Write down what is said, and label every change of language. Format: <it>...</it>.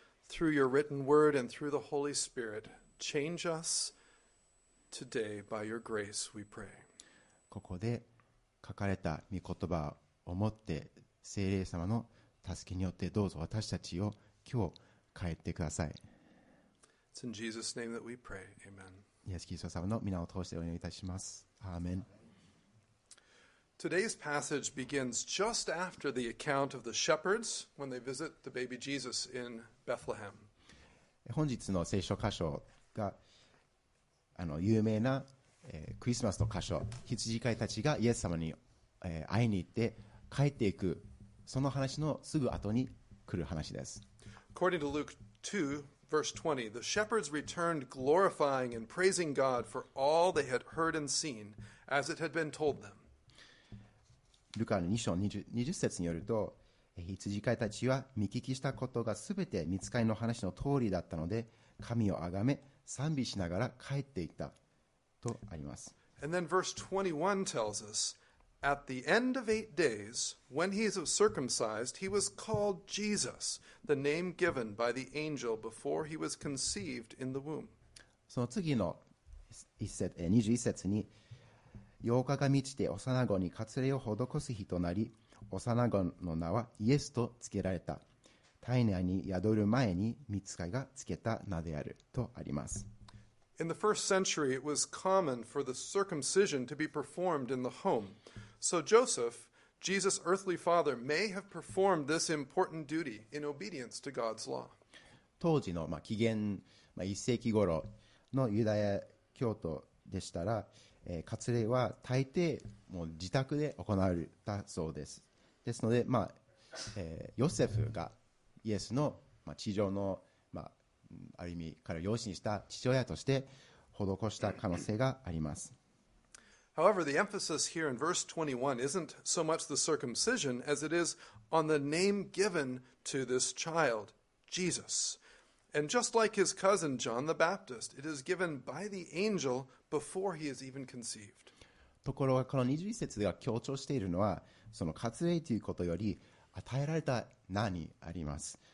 <en>Through your written word and through the Holy Spirit, change us today by your grace, we pray.</en> <ja>ここで書かれた御言葉をもって聖霊様の助けによってどうぞ私たちを今日変えてください。</ja> <en>It's in Jesus' name that we pray. Amen.</en> <ja>イエス・キリスト様の皆を通してお祈りいたします。アーメン。</ja> <en>Today's passage begins just after the account of the shepherds when they visit the baby Jesus in Bethlehem.</en> <ja>本日の聖書箇所が有名な、クリスマスの箇所、羊飼いたちがイエス様に、会いに行って帰っていく、その話のすぐ後に来る話です。</ja> <en>According to Luke 2:20, the shepherds returned glorifying and praising God for all they had heard and seen as it had been told them.</en> <ja>ルカの2章20節によると、羊飼いたちは見聞きしたことがすべて御使いの話の通りだったので、神をあがめ賛美しながら帰っていったとあります。</ja> <en>And then verse 21 tells us, at the end of 8 days, when he is circumcised, he was called Jesus, the name given by the angel before he was conceived in the womb.</en> <ja>その次の21節に、8日が満ちて幼子に割礼を施す日となり、幼子の名はイエスと付けられた。胎内に宿る前に御使いが付けた名であるとあります。</ja> <en>In the first century, it was common for the circumcision to be performed in the home. So Joseph, Jesus' earthly father, may have performed this important duty in obedience to God's law.</en> <ja>当時の、紀元、1世紀頃のユダヤ教徒でしたら、割礼は大抵もう自宅で行われたそうです。ですので、ヨセフがイエスの、地上のある意味から養子にした父親として施した可能性があります。</ja> <en>However, the emphasis here in verse 21 isn't so much the circumcision as it is on the name given to this child, Jesus. And just like his cousin John the Baptist, it is given by the angel before he is even conceived.</en> <ja>ところがこの21節が強調しているのは、その割礼ということより与えられた名にあります。</ja>